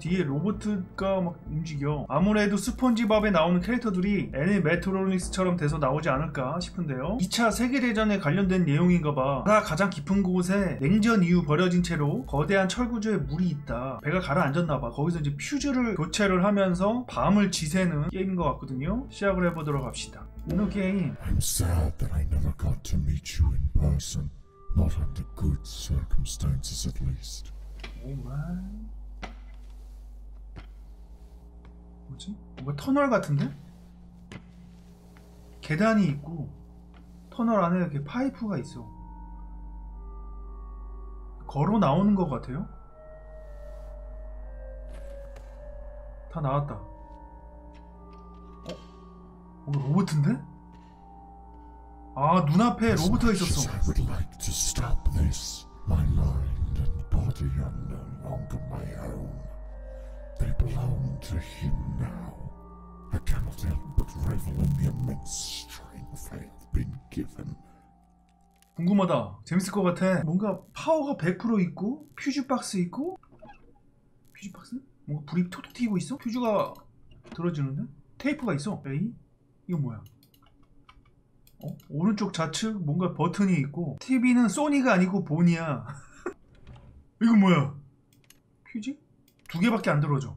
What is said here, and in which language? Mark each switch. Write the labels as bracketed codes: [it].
[ko] 뒤에 로봇가 막 움직여. 아무래도 스폰지밥에 나오는 캐릭터들이 애니메트로닉스처럼 돼서 나오지 않을까 싶은데요. 2차 세계대전에 관련된 내용인가봐. 바다 가장 깊은 곳에 냉전 이후 버려진 채로 거대한 철구조에 물이 있다. 배가 가라 앉았나봐. 거기서 이제 퓨즈를 교체를 하면서 밤을 지새는 게임인 것 같거든요. 시작을 해보도록 합시다. 이 게임. [en] I'm sad that I never got to meet you in person. Not under good circumstances, at least. [ko] 오만. 뭐지? 뭔가 터널 같은데? 계단이 있고 터널 안에 이렇게 파이프가 있어. 걸어 나오는 것 같아요. 다 나왔다. 어? 로봇인데? 아, 눈앞에 로봇이 있었어. [en] I would like to stop this. My mind and body are no longer my own. They belong to him now. I cannot help but revel in the immense strength I have been given. [ko] 궁금하다. 재밌을 것 같아. 뭔가 파워가 100% 있고 퓨즈 박스 있고. 퓨즈 박스? 뭔가 불이 톡톡 튀고 있어? 퓨즈가 들어지는데? 테이프가 있어? 에이? 이거 뭐야? 어? 오른쪽 좌측 뭔가 버튼이 있고 TV는 소니가 아니고 보니야. 이거 뭐야? 퓨즈? 두 개밖에 안 들어져.